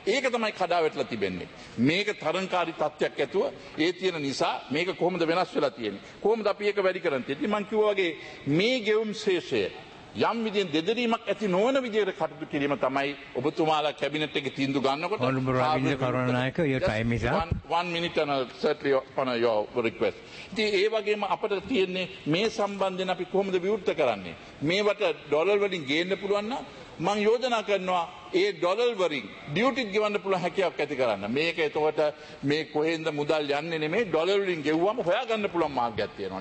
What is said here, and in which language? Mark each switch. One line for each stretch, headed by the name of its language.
Sinhala: ඒක තමයි කඩාවැටලා තිබෙන්නේ. මේක තරංකාරී තත්ත්වයක් ඇතුව ඒ තියෙන නිසා මේක කොහොමද වෙනස් වෙලා තියෙන්නේ? කොහොමද අපි ඒක වැඩි කරන් තියෙන්නේ? මම කිව්වා වගේ මේ ගෙවුම් ශේෂය යම් විදිහෙන් දෙදරීමක් ඇති නොවන විදිහට කටයුතු කිරීම තමයි ඔබතුමාලා කැබිනට් එකේ තීන්දුව ගන්නකොට.
English: හොඳම Ravinda Karunanayake your time is up. 1 minute and certainly on your request.
Sinhala: ඉතින් ඒ වගේම අපිට තියෙන්නේ මේ සම්බන්ධයෙන් අපි කොහොමද විවෘත කරන්නේ? මේවට ඩොලර් වලින් ගේන්න පුළුවන් නම් මම යෝජනා කරනවා ඒ ඩොලර් වලින් ඩියුටි ගෙවන්න පුළුවන් හැකියාවක් ඇති කරන්න. මේක එතකොට මේ කොහෙන්ද මුදල් යන්නේ නෙමෙයි ඩොලර් වලින් ගෙවුවම හොයාගන්න පුළුවන් මාර්ගයක් තියෙනවා.